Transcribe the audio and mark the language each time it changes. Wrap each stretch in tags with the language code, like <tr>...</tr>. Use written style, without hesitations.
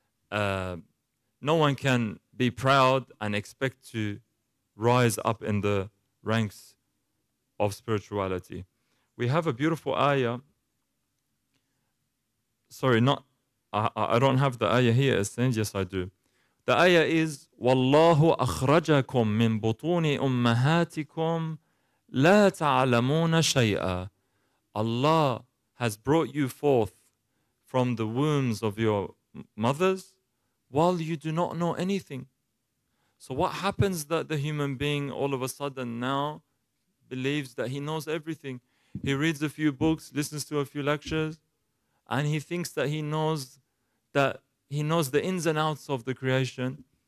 <en>No one can be proud and expect to rise up in the ranks of spirituality. We have a beautiful ayah. I don't have the ayah here, Hussein. Yes, I do. The ayah is,</en> <ar>وَاللَّهُ أَخْرَجَكُمْ مِنْ بُطُونِ أُمَّهَاتِكُمْ لَا تَعْلَمُونَ شَيْئًا.</ar> <en>Allah has brought you forth from the wombs of your mothers while you do not know anything. So what happens that the human being all of a sudden now believes that he knows everything? He reads a few books, listens to a few lectures, and he thinks that he knows the ins and outs of the creation.</en>